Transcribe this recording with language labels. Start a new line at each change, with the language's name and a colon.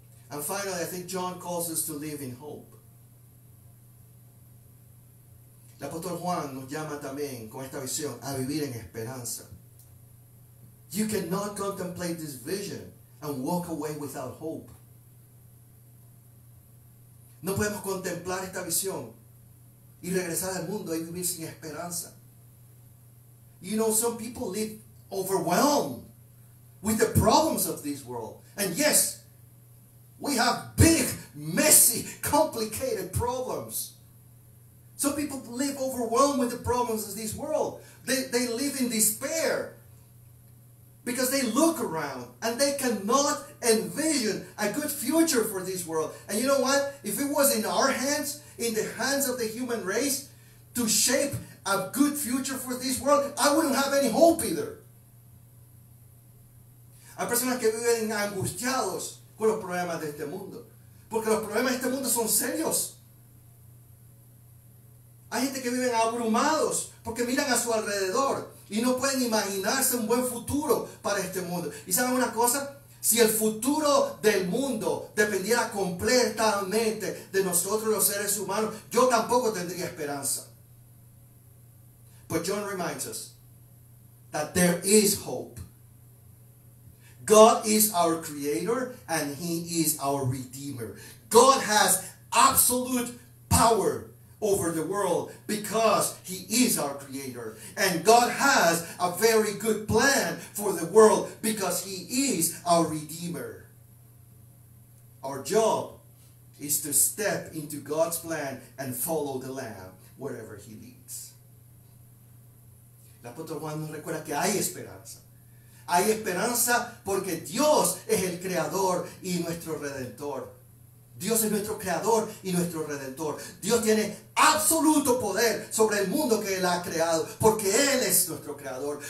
English: And finally, I think John calls us to live in hope.
Spanish: El apóstol Juan nos llama también con esta visión a vivir en esperanza.
English: You cannot contemplate this vision and walk away without hope.
Spanish: No podemos contemplar esta visión y regresar al mundo y vivir sin esperanza.
English: You know, some people live overwhelmed with the problems of this world. And yes, we have big, messy, complicated problems. Some people live overwhelmed with the problems of this world. They live in despair. Because they look around and they cannot envision a good future for this world. And you know what? If it was in our hands, in the hands of the human race, to shape a good future for this world, I wouldn't have any hope either.
Spanish: Hay personas que viven angustiados con los problemas de este mundo. Porque los problemas de este mundo son serios. Hay gente que viven abrumados porque miran a su alrededor. Y no pueden imaginarse un buen futuro para este mundo. ¿Y saben una cosa? Si el futuro del mundo dependiera completamente de nosotros los seres humanos, yo tampoco tendría esperanza.
English: But John reminds us that there is hope. God is our Creator and He is our Redeemer. God has absolute power over the world because He is our Creator, and God has a very good plan for the world because He is our Redeemer. Our job is to step into God's plan and follow the Lamb wherever He leads.
Spanish: El apóstol Juan nos recuerda que hay esperanza. Hay esperanza porque Dios es el Creador y nuestro Redentor. Dios es nuestro Creador y nuestro Redentor. Dios tiene absoluto poder sobre el mundo que Él ha creado, porque Él es nuestro Creador.